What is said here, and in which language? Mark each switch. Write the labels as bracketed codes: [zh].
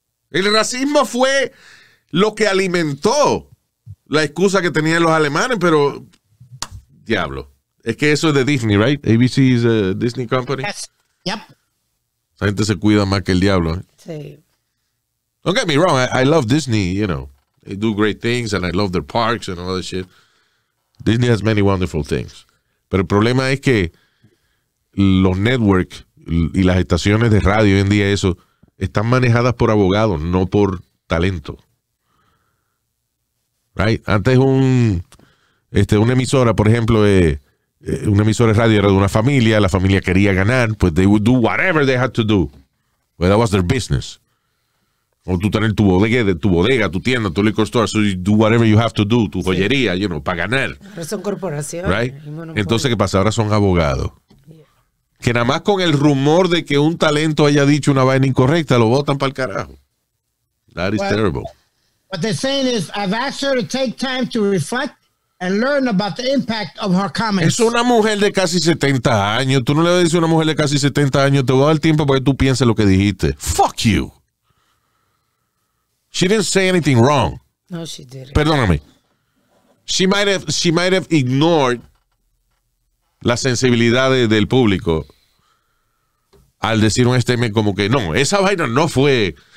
[es] El racismo fue lo que alimentó la excusa que tenían los alemanes, pero diablo. Es que eso es de Disney, [en] right? ABC is a Disney company. Yes. Yep. [es] La gente se cuida más que el diablo. Sí. [en] Don't get me wrong. I love Disney, you know. They do great things and I love their parks and all that shit. Disney has many wonderful things. [es] Pero el problema es que los networks y las estaciones de radio hoy en día, eso, están manejadas por abogados, no por talento. Right? Antes una emisora, por ejemplo, una emisora de radio era de una familia, la familia quería ganar, pues [en] they would do whatever they had to do. [es] Well, that was their business. O tú tener tu bodega, tu tienda, tu liquor store, so you do whatever you have to do, tu joyería, sí, you know, para ganar. Ahora son corporaciones. Right? Entonces, ¿qué pasa? Ahora son abogados. Que nada más con el rumor de que un talento haya dicho una vaina incorrecta, lo botan para el carajo. [en] That is terrible. What they're saying is, I've asked her to take time to reflect and learn about the impact of her comments. [es] Es una mujer de casi 70 años. Tú no le vas a decir a una mujer de casi 70 años, te voy a dar el tiempo para que tú pienses lo que dijiste. [en] Fuck you. She didn't say anything wrong. No, she didn't. [es] Perdóname. [en] She might have ignored [es] la sensibilidad del público al decir un statement como que no, esa vaina no fue.